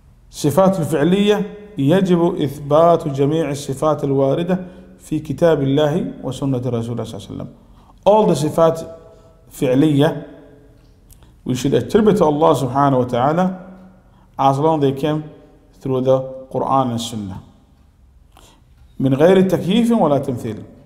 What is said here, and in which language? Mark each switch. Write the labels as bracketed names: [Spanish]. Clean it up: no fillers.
[Arabic] Sifatul Fi'liyah, يجب إثبات جميع الصفات الواردة في كتاب الله وسنة رسوله صلى الله عليه وسلم. [English] All the [Arabic] صفات فعلية [English] we should attribute to Allah [Arabic] سبحانه وتعالى [English] as long they came through the Quran and Sunnah. [Arabic] من غير التكييف ولا تمثيل.